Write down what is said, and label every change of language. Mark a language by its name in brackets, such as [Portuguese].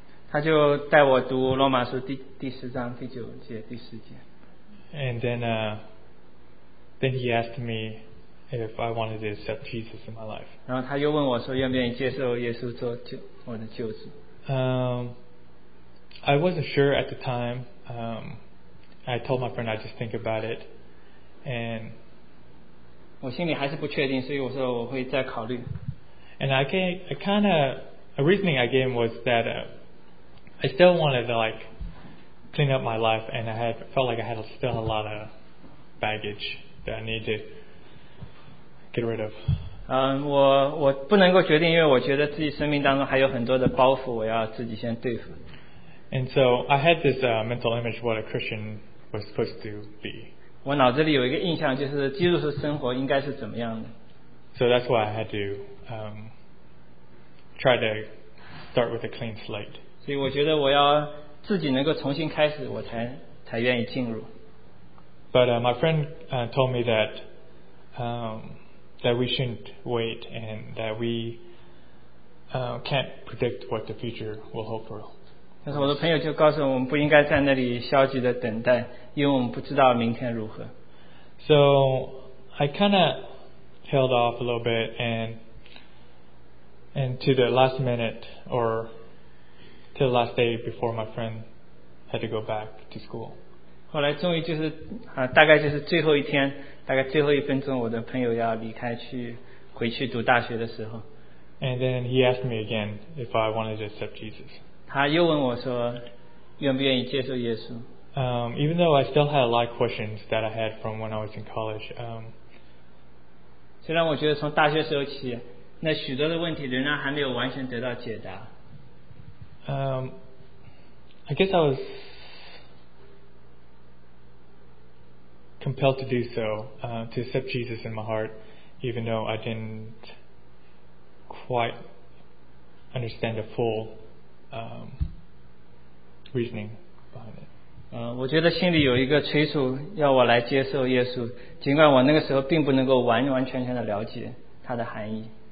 [Chinese] 他就带我读罗马书第十章第九节第十节。 [English] And then he asked me. If I wanted to accept Jesus in my life. [Chinese] 然后他又问我说愿不愿意接受耶稣做我的救主。 [English] I wasn't sure at the time. I told my friend I'd just think about it. And [Chinese] 我心里还是不确定，所以我说我会再考虑。 [English] And a reasoning I gave was that I still wanted to like clean up my life, and I had felt like I had still a lot of baggage that I needed. Get rid of. [Chinese] 我不能够决定，因为我觉得自己生命当中还有很多的包袱，我要自己先对付。 [English] And so I had this mental image of what a Christian was supposed to be. [Chinese] 我脑子里有一个印象，就是基督徒生活应该是怎么样的。 [English] So that's why I had to try to start with a clean slate. [Chinese] 所以我觉得我要自己能够重新开始，我才愿意进入。 [English] But my friend told me that. That we shouldn't wait, and that we can't predict what the future will hold for. [Chinese] 但是我的朋友就告诉我们不应该在那里消极的等待，因为我们不知道明天如何。 [English] So I kind of held off a little bit, and to the last minute, or to the last day before my friend had to go back to school. [Chinese] 后来终于就是大概就是最后一天。大概最后一分钟，我的朋友要离开去回去读大学的时候。 [English] And then he asked me again if I wanted to accept Jesus. [Chinese] 他又问我说，愿不愿意接受耶稣？ [English] Even though I still had a lot of questions that I had from when I was in college, [Chinese] 虽然我觉得从大学时候起，那许多的问题仍然还没有完全得到解答。 [English] I guess I was. Compelled to do so, to accept Jesus in my heart, even though I didn't quite understand the full reasoning behind it. [Chinese] 我觉得心里有一个催促要我来接受耶稣，尽管我那个时候并不能够完完全全的了解它的含义。